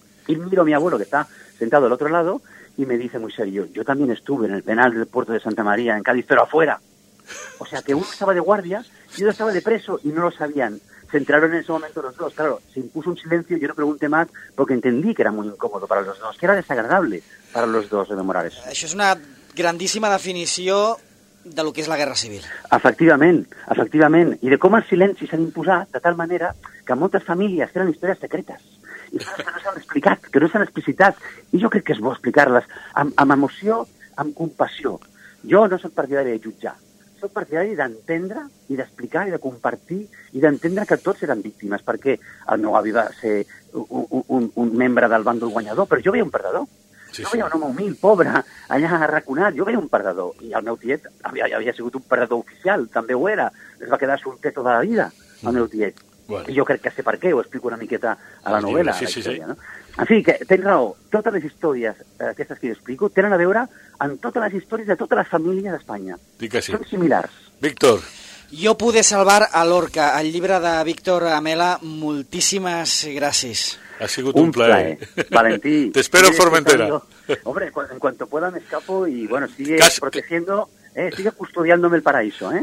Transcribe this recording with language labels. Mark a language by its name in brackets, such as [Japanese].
[Spanish] Y miro a mi abuelo, que está sentado al otro lado, y me dice muy serio, yo también estuve en el penal del puerto de Santa María, en Cádiz, pero afuera. O sea, que uno estaba de guardia y otro estaba de preso, y no lo sabían. Se entraron en ese momento los dos. Claro, se impuso un silencio, yo no pregunté más, porque entendí que era muy incómodo para los dos, que era desagradable para los dos rememorar eso. [Catalan] Això és una grandíssima definició de lo que és la Guerra Civil. Efectivament, efectivament. I de com els silencis s'han imposat de tal manera que moltes famílies tenen històries secretes i que no s'han explicat, que no s'han explicitat. I jo crec que és bo explicar-les amb emoció, amb compassió. Jo no soc partidari de jutjar, soc partidari d'entendre i d'explicar i de compartir i d'entendre que tots eren víctimes, perquè el meu avi va ser un membre del bàndol guanyador, però jo veia un perdedor. Sí, sí. Jo veia un home humil, pobre, allà arraconat, jo veia un perdedor, i el meu tiet havia sigut un perdedor oficial, també ho era, es va quedar solter tota la vida, el meu tiet. Bueno. I jo crec que sé per què, ho explico una miqueta a la novel·la. Sí, sí, sí. No? En fi, que tens raó, totes les històries aquestes que jo explico tenen a veure amb totes les històries de totes les famílies d'Espanya. Dic que sí. Són similars. Víctor. Jo pude salvar a Lorca, el llibre de Víctor Amela, moltíssimes gràcies. Ha sigut un plaer. Valentí. [Spanish] Te espero en Formentera. Hombre, en cuanto pueda me escapo y bueno, sigue protegiendo, sigue custodiándome el paraíso, ¿eh?